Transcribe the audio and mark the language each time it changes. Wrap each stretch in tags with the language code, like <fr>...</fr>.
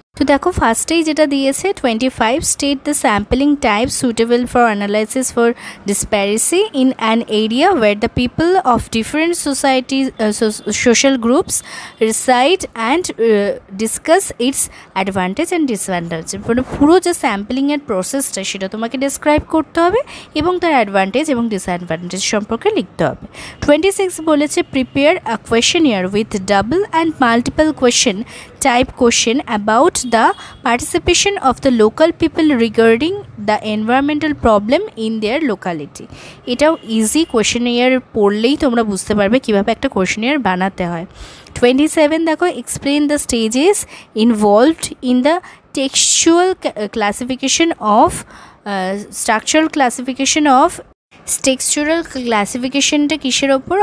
<bn>তো দেখো ফার্স্টেই যেটা দিয়েছে</bn> <en>25, state the sampling type suitable for analysis for disparity in an area where the people of different society social groups reside and discuss its advantage and disadvantage.</en> <bn>মানে পুরো যে sampling এর প্রসেসটা সেটা তোমাকে ডিসক্রাইব করতে হবে এবং তার অ্যাডভান্টেজ এবং ডিসঅ্যাডভান্টেজ সম্পর্কে লিখতে হবে।</bn> <en>26</en> <bn>বলেছে</bn> <en>Prepare a questionnaire with double and multiple question type question about the participation of the local people regarding the environmental problem in their locality.</en> <bn>এটাও ইজি কোয়েশ্চেনিয়ার পড়লেই তোমরা বুঝতে পারবে কিভাবে একটা কোয়েশ্চেনিয়ার বানাতে হয়।</bn> <en>27</en> <bn>দেখো</bn> <en>explain the stages involved in the textual classification of structural classification of structural ক্লাসিফিকেশনটা</en> <bn>কিসের ওপর?</bn>